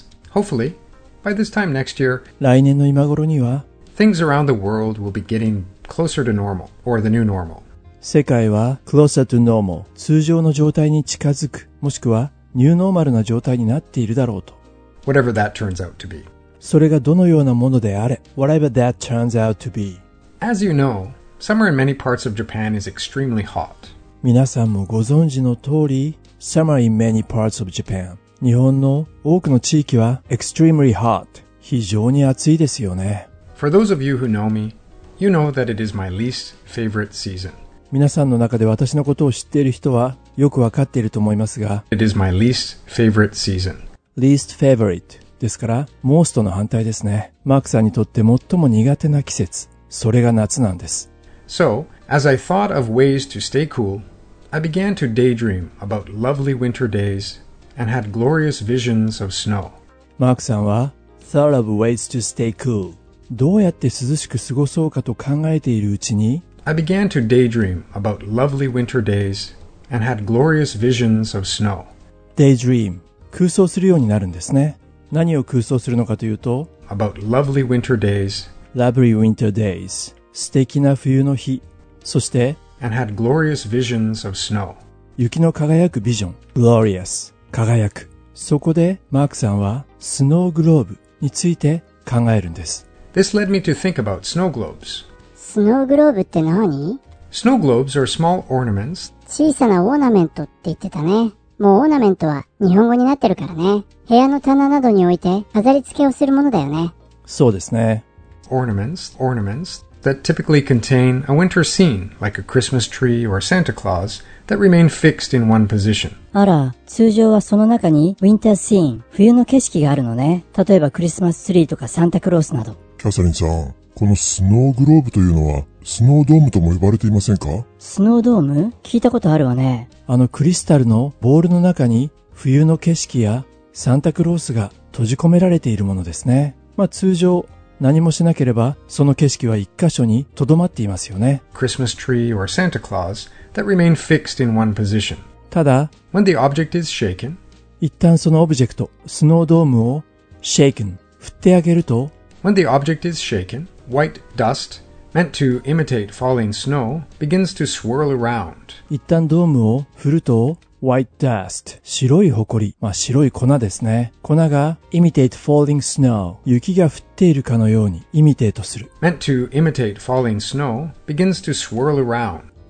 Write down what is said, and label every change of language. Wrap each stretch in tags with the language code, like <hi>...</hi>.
<en>Hopefully, by this time next year,</en> <ja>来年の今頃には</ja> <en>things around the world will be getting closer to normal or the new normal.</en> <ja>世界は</ja> <en>closer to normal</en> <ja>通常の状態に近づくもしくはニューノーマルな状態になっているだろうと</ja> <en>Whatever that turns out to be.</en> <ja>それがどのようなものであれ</ja> <en>Whatever that turns out to be. As you know, summer in many parts of Japan is extremely hot.</en> <ja>皆さんもご存知の通り</ja> <en>Summer in many parts of Japan</en> <ja>日本の多くの地域は</ja> <en>extremely hot</en> <ja>非常に暑いですよね</ja> <en>For those of you who know me, you know that it is my least favorite season.</en> <ja>皆さんの中で私のことを知っている人はよくわかっていると思いますが</ja> <en>It is my least favorite season. Least favorite</en> <ja>ですから most の反対ですねマークさんにとって最も苦手な季節それが夏なんです</ja> <en>So, as I thought of ways to stay cool I began to daydream about lovely winter days and had glorious visions of snow</en> <ja>マークさんは</ja> <en>thought of ways to stay cool</en> <ja>どうやって涼しく過ごそうかと考えているうちに</ja> <en>I began to daydream about lovely winter days and had glorious visions of snow. Daydream.</en> <ja>空想するようになるんですね。何を空想するのかというと</ja> <en>About lovely winter days. Lovely winter days.</en> <ja>素敵な冬の日。そして</ja> <en>And had glorious visions of snow.</en> <ja>雪の輝くビジョン。Glorious. 輝く。そこでマークさんはスノーグローブについて考えるんです。</ja> <en>This led me to think about snow globes.</en> <ja>スノーグローブって何?</ja> <en>Snow globes are small ornaments.</en> <ja>小さなオーナメントって言ってたね。もうオーナメントは日本語になってるからね。部屋の棚などに置いて飾り付けをするものだよね。そうですね。</ja> <en>Ornaments that typically contain a winter scene, like a Christmas tree or Santa Claus, that remain fixed in one position.</en> <ja>あら、通常はその中に winter scene, 冬の景色があるのね。例えばクリスマスツリーとかサンタクロースなど。キャサリンさん。このスノーグローブというのはスノードームとも呼ばれていませんか? スノードーム?聞いたことあるわね。あのクリスタルのボールの中に冬の景色やサンタクロースが閉じ込められているものですね。まあ通常何もしなければその景色は一箇所に留まっていますよね。</ja> <en>Christmas tree or Santa Claus that remain fixed in one position.</en> <ja>ただ、</ja> <en>When the object is shaken,</en> <ja>一旦そのオブジェクト、スノードームを shaken、振ってあげると、</ja> <en>When the object is shaken,White dust, meant to imitate falling snow, begins to swirl around.</en> <ja>一旦ドームを振ると、</ja> <en>white dust,</en> <ja>白い埃、まあ白い粉ですね。粉が</ja> <en>imitate falling snow,</en> <ja>雪が降っているかのように imitate する。</ja> <en>meant to imitate falling snow, begins to swirl around.</en>